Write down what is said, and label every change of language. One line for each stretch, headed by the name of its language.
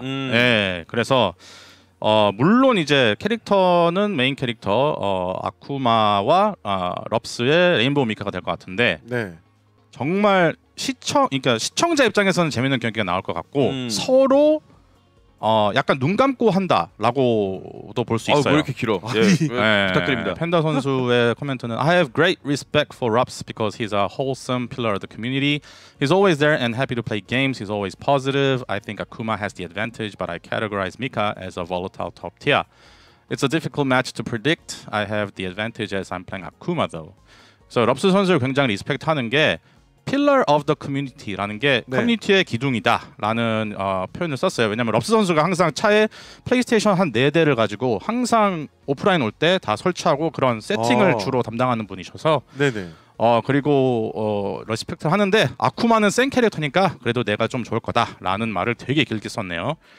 Korean: 네, 그래서 물론 이제 캐릭터는 메인 캐릭터 아쿠마와 럽스의 레인보우 미카가 될 것 같은데 네. 정말 그러니까 시청자 입장에서는 재밌는 경기가 나올 것 같고 서로 약간 눈 감고 한다라고도 볼 수 있어요. 왜 이렇게 길어? 예. 네. 부탁드립니다. 펜다 선수의 코멘트는
English: I have great respect for Rups because he's a wholesome pillar of the community. He's always there and happy to play games. He's always positive. I think Akuma has the advantage, but I categorize Mika as a volatile top tier. It's a difficult match to predict. I have the advantage as I'm playing Akuma though.
Korean: So Rups 선수를 굉장히 리스펙트하는 게
English: Pillar of the Community
Korean: 라는 게 네. 커뮤니티의 기둥이다 라는 표현을 썼어요. 왜냐면 럽스 선수가 항상 차에 플레이스테이션 한 4대를 가지고 항상 오프라인 올 때 다 설치하고 그런 세팅을 주로 담당하는 분이셔서 네네. 그리고 러시펙트 하는데 아쿠마는 센 캐릭터니까 그래도 내가 좀 좋을 거다 라는 말을 되게 길게 썼네요.